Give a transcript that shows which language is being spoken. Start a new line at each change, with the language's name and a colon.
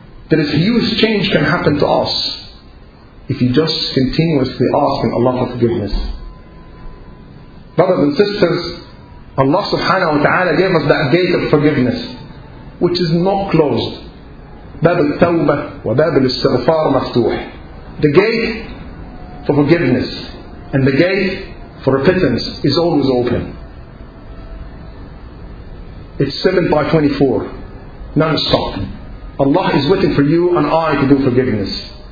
English: There is huge change can happen to us if you just continuously asking Allah for forgiveness. Brothers and sisters, Allah subhanahu wa ta'ala gave us that gate of forgiveness, which is not closed.
Arabic: باب التوبة وباب الاستغفار مفتوح.
English: The gate for forgiveness and the gate for repentance is always open. It's 7/24, non-stop. Allah is waiting for you and I to do forgiveness.